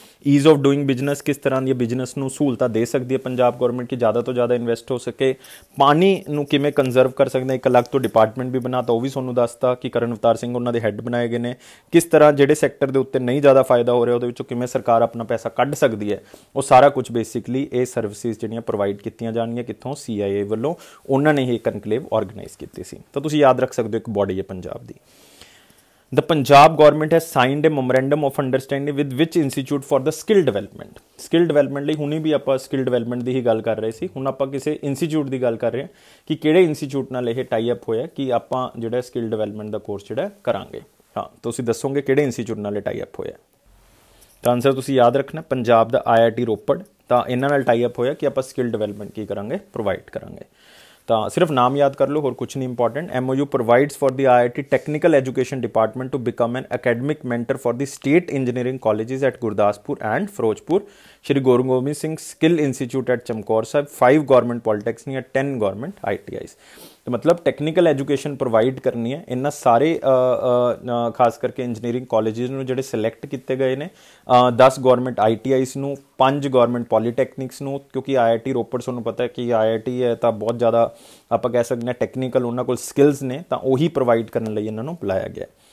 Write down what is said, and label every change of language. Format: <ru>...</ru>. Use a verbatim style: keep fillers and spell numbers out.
<pa>Ease of doing business ਕਿਸ ਤਰ੍ਹਾਂ ਦੀਆਂ ਬਿਜ਼ਨਸ ਨੂੰ ਸਹੂਲਤਾਂ ਦੇ ਸਕਦੀ ਹੈ ਪੰਜਾਬ ਗੌਰਮੈਂਟ ਕਿ ਜ਼ਿਆਦਾ ਤੋਂ ਜ਼ਿਆਦਾ ਇਨਵੈਸਟ ਹੋ ਸਕੇ, ਪਾਣੀ ਨੂੰ ਕਿਵੇਂ ਕੰਜ਼ਰਵ ਕਰ ਸਕਦੇ ਹਾਂ, ਇੱਕ ਅਲੱਗ ਤੋਂ ਡਿਪਾਰਟਮੈਂਟ ਵੀ ਬਣਾ ਤਾ, ਉਹ ਵੀ ਤੁਹਾਨੂੰ ਦੱਸਤਾ ਕਿ ਕਰਨ ਅਵਤਾਰ ਸਿੰਘ ਉਹਨਾਂ ਦੇ ਹੈੱਡ ਬਣਾਏ ਗਏ ਨੇ, ਕਿਸ ਤਰ੍ਹਾਂ ਜਿਹੜੇ ਸੈਕਟਰ ਦੇ ਉੱਤੇ ਨਹੀਂ ਜ਼ਿਆਦਾ ਫਾਇਦਾ ਹੋ ਰਿਹਾ ਉਹਦੇ ਵਿੱਚੋਂ ਕਿਵੇਂ ਸਰਕਾਰ ਆਪਣਾ ਪੈਸਾ ਕੱਢ ਸਕਦੀ ਹੈ, ਉਹ ਸਾਰਾ ਕੁਝ ਬੇਸਿਕਲੀ ਇਹ ਸਰਵਿਸਿਜ਼ ਜਿਹੜੀਆਂ ਪ੍ਰੋਵਾਈਡ ਕੀਤੀਆਂ ਜਾਣਗੀਆਂ ਕਿੱਥੋਂ ਸੀ ਆਈ ਏ ਵੱਲੋਂ, ਉਹਨਾਂ ਨੇ ਇਹ ਕਨਕਲੇਵ ਆਰਗੇਨਾਈਜ਼ ਕੀਤੀ ਸੀ। ਤਾਂ ਤੁਸੀਂ ਯਾਦ ਰੱਖ ਸਕਦੇ ਹੋ ਇੱਕ ਬੋਡੀ ਹੈ ਪੰਜਾਬ ਦੀ।</pa> <en>The Punjab government has signed a memorandum of understanding with which institute for the skill development.</en> <pa>Skill development ਲਈ ਹੁਣੀ ਵੀ ਆਪਾਂ skill development ਦੀ ਹੀ ਗੱਲ ਕਰ ਰਹੇ ਸੀ, ਹੁਣ ਆਪਾਂ ਕਿਸੇ ਇੰਸਟੀਚਿਊਟ ਦੀ ਗੱਲ ਕਰ ਰਹੇ ਹਾਂ ਕਿ ਕਿਹੜੇ ਇੰਸਟੀਚਿਊਟ ਨਾਲ ਇਹ ਟਾਈ ਅਪ ਹੋਇਆ ਕਿ ਆਪਾਂ ਜਿਹੜਾ ਸਕਿੱਲ ਡਿਵੈਲਪਮੈਂਟ ਦਾ ਕੋਰਸ ਜਿਹੜਾ ਕਰਾਂਗੇ। ਹਾਂ ਤੁਸੀਂ ਦੱਸੋਗੇ ਕਿਹੜੇ ਇੰਸਟੀਚਿਊਟ ਨਾਲ ਇਹ ਟਾਈ ਅਪ ਹੋਇਆ, ਤਾਂ ਆਨਸਰ ਤੁਸੀਂ ਯਾਦ ਰੱਖਣਾ ਪੰਜਾਬ ਦਾ ਆਈ ਆਈ ਟੀ ਰੋਪੜ। ਤਾਂ ਇਹਨਾਂ ਨਾਲ ਟਾਈ ਅਪ ਹੋਇਆ ਕਿ ਆਪਾਂ ਸਕਿੱਲ ਡਿਵੈਲਪਮੈਂਟ ਕੀ ਕਰਾਂਗੇ, ਪ੍ਰੋਵਾਈਡ ਕਰਾਂਗੇ। ਤਾਂ ਸਿਰਫ ਨਾਮ ਯਾਦ ਕਰ ਲਓ, ਹੋਰ ਕੁਛ ਨਹੀਂ important.</pa> <en>M O U provides for the I I T technical education department to become an academic mentor for the state engineering colleges at Gurdaspur and Ferozepur, Shri Guru Gobind Singh skill institute at Chamkaur Sahib, five government polytechnic at ten government I T Is.</en> <pa>तो मतलब technical education provide करनी है इन्ना सारे आ, आ, खास करके engineering colleges नूं जेहड़े सिलेक्ट किए गए ने, दस गवर्नमेंट आई टी आईज नूं, ਪੰਜ ਗੌਰਮੈਂਟ ਪੋਲੀਟੈਕਨਿਕਸ ਨੂੰ, ਕਿਉਂਕਿ ਆਈ ਆਈ ਟੀ ਰੋਪੜ ਤੁਹਾਨੂੰ ਪਤਾ ਕਿ ਆਈ ਆਈ ਟੀ ਹੈ ਤਾਂ ਬਹੁਤ ਜ਼ਿਆਦਾ ਆਪਾਂ ਕਹਿ ਸਕਦੇ ਹਾਂ ਟੈਕਨੀਕਲ, ਉਹਨਾਂ ਕੋਲ ਸਕਿੱਲਸ ਨੇ ਤਾਂ ਉਹੀ ਪ੍ਰੋਵਾਈਡ ਕਰਨ ਲਈ ਇਹਨਾਂ ਨੂੰ ਬੁਲਾਇਆ ਗਿਆ।</pa>